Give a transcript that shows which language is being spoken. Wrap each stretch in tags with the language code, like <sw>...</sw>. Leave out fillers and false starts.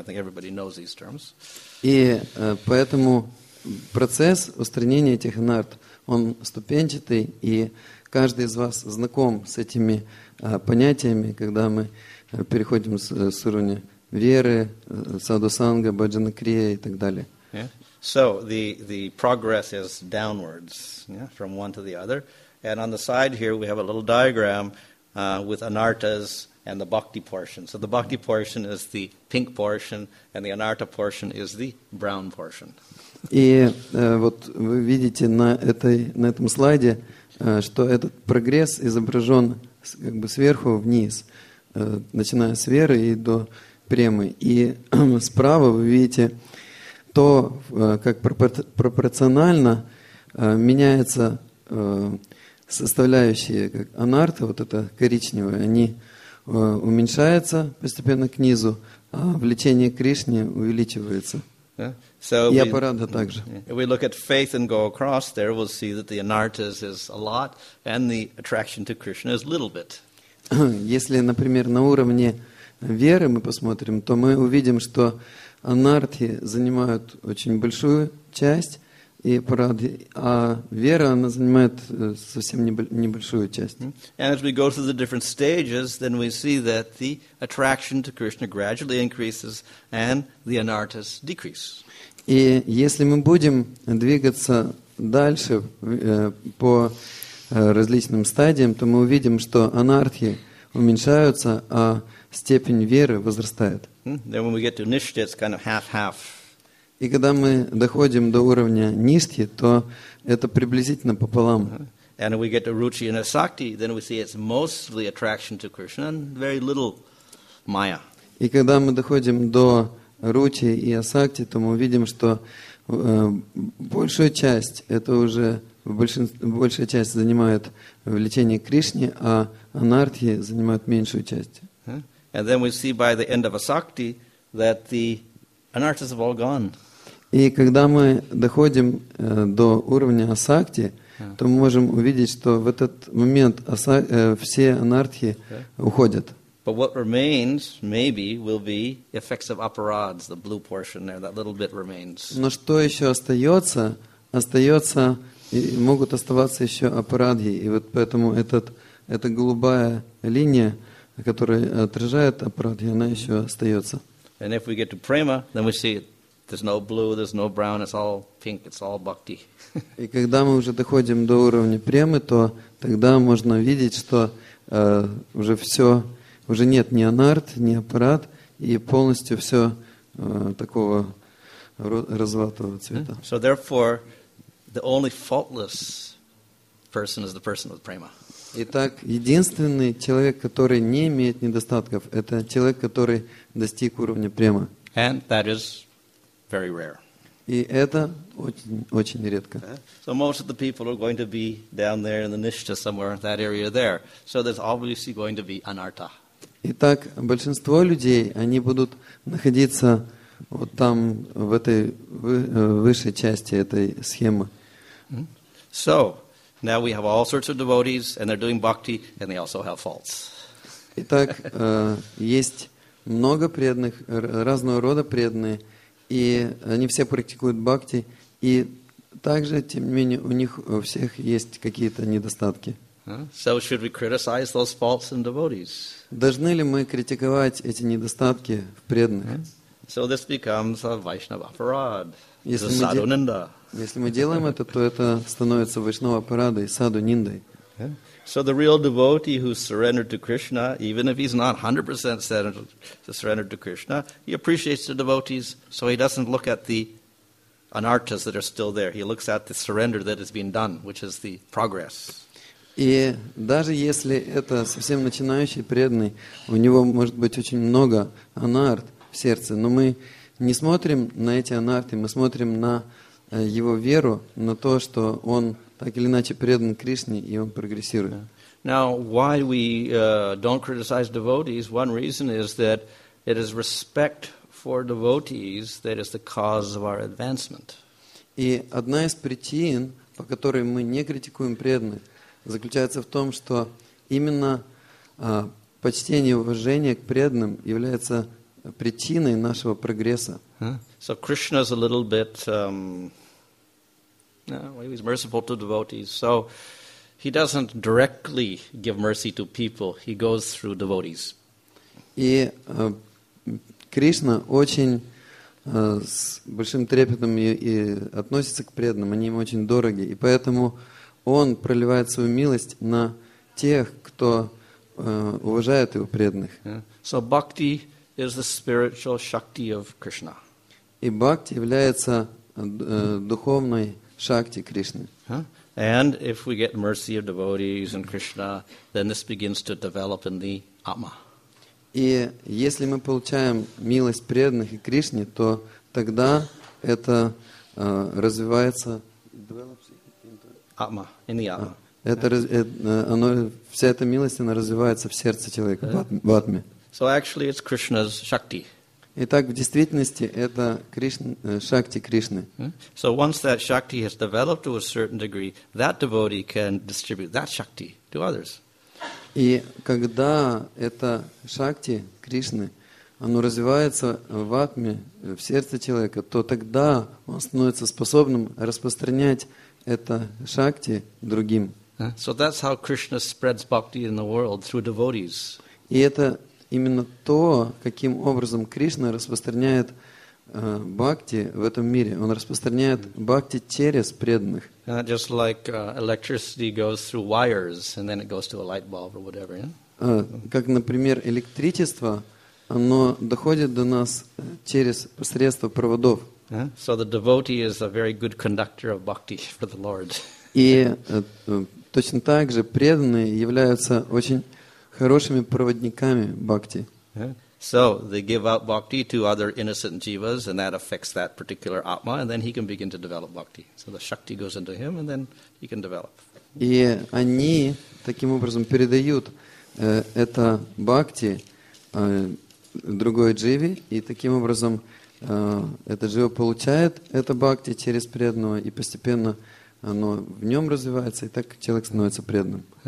<en>I think everybody knows these terms.</en> <ru>И поэтому процесс устранения этих анартх, он ступенчатый, и каждый из вас знаком с этими понятиями, когда мы переходим с уровня веры, саду санга, бхаджана крия и так далее.</ru> <en>Yeah. So the progress is downwards, yeah, from one to the other. And on the side here we have a little diagram with anartas and the bhakti portion. So the bhakti portion is the pink portion and the anartha portion is the brown portion.</en> <ru>И вот вы видите на этом слайде, что этот прогресс изображен как бы сверху вниз, начиная с веры и до премы. И справа вы видите то, как пропорционально меняются составляющие как анартха, вот это коричневое, они уменьшаются постепенно к низу, а влечение к Кришне увеличивается.</ru> <en>Yeah. So</en> <ru>и аппарата также.</ru> <en>If we look at faith and go across there, we'll see that the anartha is a lot and the attraction to Krishna is a little bit.</en> <ru>Если, например, на уровне веры мы посмотрим, то мы увидим, что анартхи занимают очень большую часть, и парады, а вера она занимает совсем небольшую часть.</ru> <en>And as we go through the different stages, then we see that the attraction to Krishna gradually increases and the anarthas decrease.</en> <ru>И если мы будем двигаться дальше по различным стадиям, то мы увидим, что анартхи уменьшаются, а степень веры возрастает.</ru> <en>Then when we get to nishtha, it's kind of half-half.</en> <ru>И когда мы доходим до уровня нистхи, то это приблизительно пополам.</ru> <en>And when we get to ruchi and asakti, then we see it's mostly attraction to Krishna and very little maya.</en> <ru>И когда мы доходим до ruchi и asakti, то мы видим, что большую часть это уже большая часть занимает влечение к Кришне, а анартхи занимают меньшую часть.</ru> <en>And then we see by the end of asakti that the anarthas have all gone.</en> <ru>И когда мы доходим до уровня асакти, то мы можем увидеть, что в этот момент все анартхи уходят.</ru> <en>But what remains, maybe, will be effects of aparads, the blue portion there, that little bit remains.</en> <ru>Но что еще остается? Остается, могут оставаться еще апарадхи. И вот поэтому эта голубая линия, которая отражает апарадхи, она еще остается.</ru> <en>And if we get to prema, then we see it. There's no blue, there's no brown, it's all pink, it's all bhakti.</en> <ru>И когда мы уже доходим до уровня премы, то тогда можно видеть, что уже все, уже нет ни анарт, ни аппарат, и полностью все такого розоватого цвета.</ru> <en>So therefore, the only faultless person is the person with prema.</en> <ru>Итак, единственный человек, который не имеет недостатков, это человек, который достиг уровня према.</ru> <en>And that is very rare.</en> <ru>И это очень, очень редко.</ru> <en>So most of the people are going to be down there in the Nishtha somewhere, that area there. So there's obviously going to be anartha.</en> <ru>Итак, большинство людей, они будут находиться вот там, в этой высшей части этой схемы.</ru> <en>So, now we have all sorts of devotees, and they're doing bhakti, and they also have faults.</en> <ru>Итак, есть много преданных, разного рода преданные, и они все практикуют бхакти, и также, тем не менее, у них у всех есть какие-то недостатки.</ru> <en>So should we criticize those faults in devotees?</en> <ru>Должны ли мы критиковать эти недостатки в преданных?</ru> <en>So this becomes a Vaishnava parad.</en> <ru>Если мы делаем это, то это становится Вайшнава парадой, саду ниндой.</ru> <en>So the real devotee who surrendered to Krishna, even if he's not 100% surrendered to Krishna, he appreciates the devotees, so he doesn't look at the anarthas that are still there. He looks at the surrender that has been done, which is the progress.</en> <ru>И даже если это совсем начинающий преданный, у него может быть очень много анарт в сердце, но мы не смотрим на эти анарты, мы смотрим на его веру, на то, что он так или иначе предан Кришне, и он прогрессирует.</ru> <en>Now, why we don't criticize devotees, one reason is that it is respect for devotees that is the cause of our advancement.</en> <ru>И одна из причин, по которой мы не критикуем преданных, заключается в том, что именно почтение и уважение к преданным является причиной нашего прогресса.</ru> <en>So Krishna is a little bit, he's merciful to devotees, so he doesn't directly give mercy to people, he goes through devotees.</en> <ru>И Кришна очень с большим трепетом и относится к преданным, они ему очень дороги, и поэтому он проливает свою милость на тех, кто уважает его преданных.</ru> <en>So bhakti is the spiritual shakti of Krishna.</en> <ru>И бхакти является духовной шакти Кришны.</ru> <en>And if we get mercy of devotees and Krishna, then this begins to develop in the Atma.</en> <ru>И если мы получаем милость преданных и Кришне, то тогда это развивается. Атма,</ru> <en>in the</en> <ru>Атма. Вся эта милость, она развивается в сердце человека, в Атме.</ru> <en>So actually it's Krishna's Shakti.</en> <ru>Итак, в действительности это Шакти Кришны.</ru> <en>So once that Shakti has developed to a certain degree, that devotee can distribute that Shakti to others.</en> <ru>И когда это Шакти Кришны, оно развивается в Атме, в сердце человека, то тогда он становится способным распространять это шакти другим.</ru> <en>So that's how Krishna spreads bhakti in the world through devotees.</en> <ru>И это именно то, каким образом Кришна распространяет бхакти в этом мире. Он распространяет бхакти через преданных.</ru> <en>Just like electricity goes through wires and then it goes to a light bulb or whatever. Yeah?</en> <ru>Как, например, электричество, оно доходит до нас через посредство проводов.</ru> <en>So the devotee is a very good conductor of bhakti for the Lord.</en> <ru>И точно так же преданные являются очень хорошими проводниками бхакти.</ru> <en>So they give out bhakti to other innocent jivas, and that affects that particular atma, and then he can begin to develop bhakti. So the shakti goes into him, and then he can develop.</en> <ru>И они таким образом передают это бхакти другой дживе, и таким образом этот жива получает это бхакти через преданного, и постепенно оно в нем развивается, и так человек становится преданным.</ru>